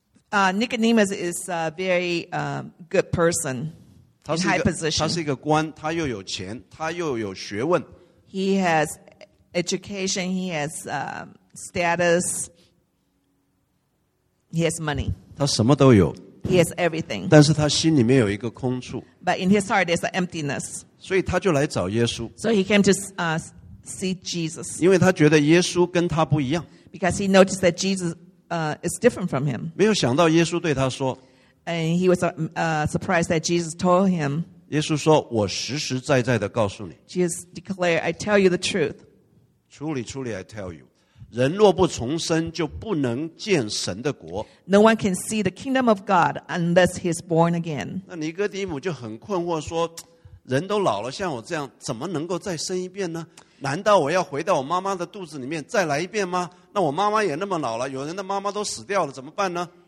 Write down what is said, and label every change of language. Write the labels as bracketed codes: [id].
[en] Nicodemus is a very good person, in high position. [zh] 他是一个官，他又有钱，他又有学问。 [en] He has education, he has status, he has money. [zh] 他什么都有。 [en] He has everything. [zh] 但是他心里面有一个空处。 [en] But in his heart, there's an emptiness. [zh] 所以他就来找耶稣。 [en] So he came to see Jesus. [zh] 因为他觉得耶稣跟他不一样。 [en] Because he noticed that Jesus is different from him. [zh] 没有想到耶稣对他说。 [en] And he was surprised that Jesus told him. [zh] 耶稣说，我实实在在的告诉你。 [en] Jesus declared, I tell you the truth. Truly, truly, I tell you. [zh] 人若不重生，就不能见神的国。 [en] No one can see the kingdom of God unless he is born again. [zh] 那尼哥底母就很困惑说，人都老了，像我这样，怎么能够再生一遍呢？难道我要回到我妈妈的肚子里面再来一遍吗？那我妈妈也那么老了，有人的妈妈都死掉了，怎么办呢？